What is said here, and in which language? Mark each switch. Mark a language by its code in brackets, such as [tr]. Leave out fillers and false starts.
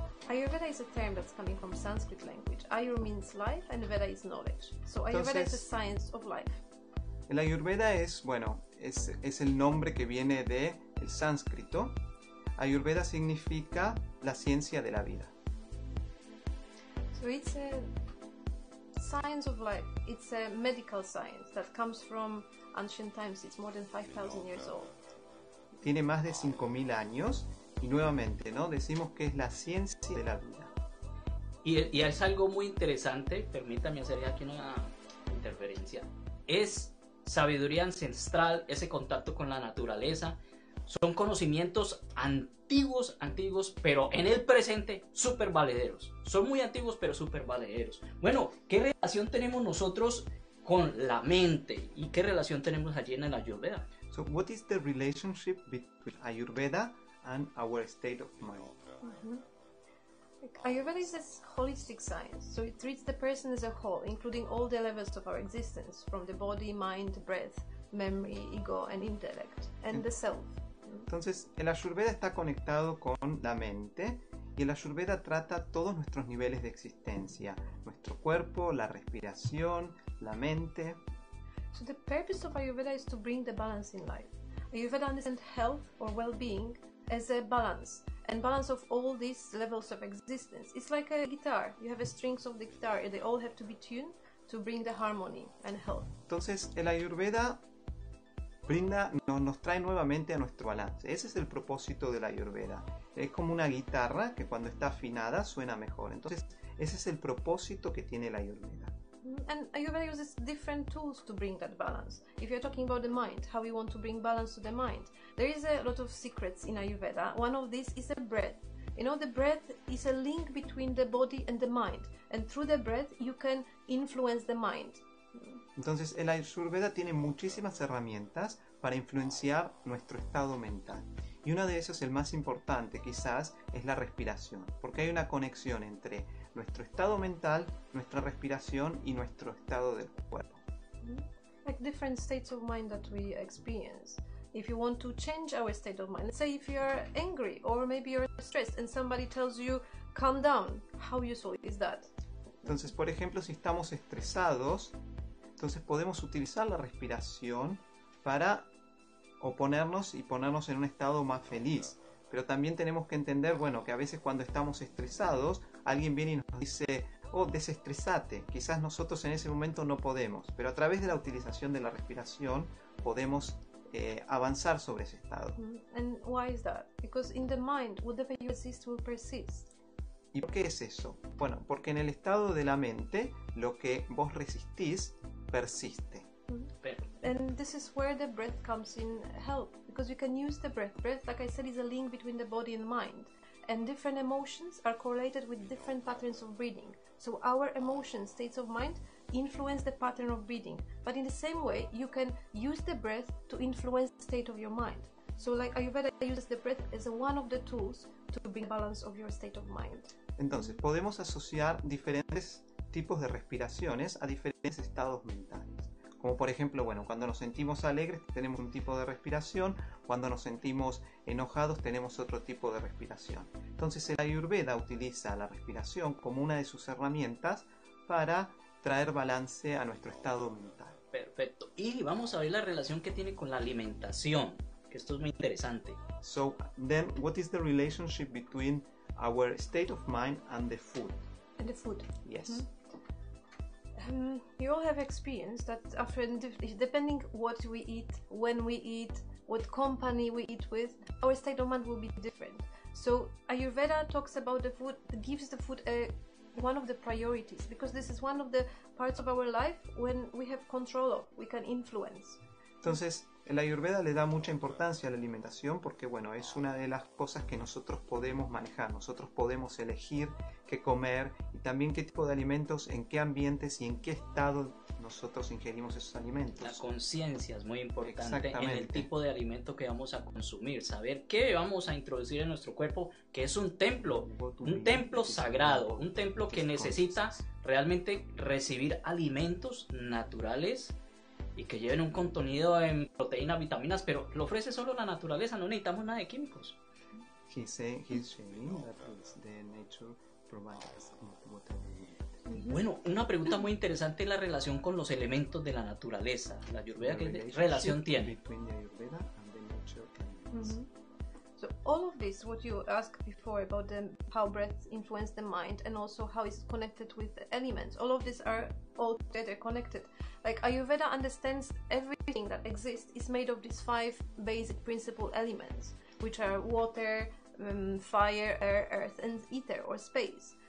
[en] Ayurveda is a term that's coming from Sanskrit language. Ayur means life and Veda is knowledge. So Ayurveda is the science of life. [es] El Ayurveda es, bueno, es el nombre que viene de el sánscrito. Ayurveda significa la ciencia de la vida. [en] So it's a science of life. It's a medical science that comes from ancient times. It's more than 5,000 years old. [es] Tiene más de 5,000 años. Y nuevamente, ¿no? Decimos que es la ciencia de la vida. Y es algo muy interesante, permítame hacer aquí una interferencia, es sabiduría ancestral, ese contacto con la naturaleza, son conocimientos antiguos, antiguos, pero en el presente, súper valederos. Son muy antiguos, pero súper valederos. Bueno, ¿qué relación tenemos nosotros con la mente? ¿Y qué relación tenemos allí en la Ayurveda? [en] So, what is the relationship between Ayurveda and our state of mind? Mm-hmm. Ayurveda is a holistic science, so it treats the person as a whole, including all the levels of our existence, from the body, mind, breath, memory, ego, and intellect, and the self. [es] Entonces, el Ayurveda está conectado con la mente, y el Ayurveda trata todos nuestros niveles de existencia, nuestro cuerpo, la respiración, la mente. [en] So the purpose of Ayurveda is to bring the balance in life. Ayurveda understands health or well-being as a balance, and balance of all these levels of existence. It's like a guitar. You have a strings of the guitar, and they all have to be tuned to bring the harmony and health. [es] Entonces, el Ayurveda brinda, nos trae nuevamente a nuestro balance. Ese es el propósito del Ayurveda. Es como una guitarra que cuando está afinada suena mejor. Entonces, ese es el propósito que tiene el Ayurveda. [en] And Ayurveda uses different tools to bring that balance. If you're talking about the mind, how we want to bring balance to the mind, there is a lot of secrets in Ayurveda. One of these is the breath. You know, the breath is a link between the body and the mind. And through the breath, you can influence the mind. [es] Entonces, el Ayurveda tiene muchísimas herramientas para influenciar nuestro estado mental. Y una de esas, el más importante quizás, es la respiración. Porque hay una conexión entre nuestro estado mental, nuestra respiración y nuestro estado del cuerpo. [en] Like different states of mind that we experience. If you want to change our state of mind, say if you're angry or maybe you're stressed and somebody tells you, calm down, how useful is that? [es] Entonces, por ejemplo, si estamos estresados, entonces podemos utilizar la respiración para oponernos y ponernos en un estado más feliz. Pero también tenemos que entender, bueno, que a veces cuando estamos estresados, alguien viene y nos dice, oh, desestresate. Quizás nosotros en ese momento no podemos, pero a través de la utilización de la respiración podemos avanzar sobre ese estado. [en] And why is that? Because in the mind, whatever you resist will persist. [es] ¿Y por qué es eso? Bueno, porque en el estado de la mente, lo que vos resistís persiste. [en] And this is where the breath comes in help, because you can use the breath. Breath, like I said, is a link between the body and mind. And different emotions are correlated with different patterns of breathing. So our emotions, states of mind, influence the pattern of breathing. But in the same way, you can use the breath to influence the state of your mind. So like Ayurveda uses the breath as one of the tools to bring balance of your state of mind. [es] Entonces, podemos asociar diferentes tipos de respiraciones a diferentes estados mentales. Como por ejemplo, bueno, cuando nos sentimos alegres tenemos un tipo de respiración, cuando nos sentimos enojados tenemos otro tipo de respiración. Entonces el Ayurveda utiliza la respiración como una de sus herramientas para traer balance a nuestro estado mental. Perfecto. Y vamos a ver la relación que tiene con la alimentación, que esto es muy interesante. [en] So then, what is the relationship between our state of mind and the food? And the food. Yes. Mm-hmm. You all have experienced that after, depending what we eat, when we eat, what company we eat with, our state of mind will be different. So Ayurveda talks about the food, gives the food one of the priorities, because this is one of the parts of our life when we have control of, we can influence. [es] Entonces, el Ayurveda le da mucha importancia a la alimentación porque, bueno, es una de las cosas que nosotros podemos manejar. Nosotros podemos elegir qué comer y también qué tipo de alimentos, en qué ambientes y en qué estado nosotros ingerimos esos alimentos. La conciencia es muy importante en el tipo de alimento que vamos a consumir. Saber qué vamos a introducir en nuestro cuerpo, que es un templo sagrado, un templo que necesita realmente recibir alimentos naturales y que lleven un contenido en proteínas, vitaminas, pero lo ofrece solo la naturaleza, no necesitamos nada de químicos. [en] He said he's saying that the nature provides what we need. [es] Bueno, una pregunta muy interesante es la relación con los elementos de la naturaleza. La Ayurveda, ¿qué relación tiene? [en] So all of this, what you asked before about the, how breath influences the mind and also how it's connected with the elements, all of these are all together connected. Like Ayurveda understands everything that exists is made of these five basic principal elements, which are water, fire, air, earth, and ether or space.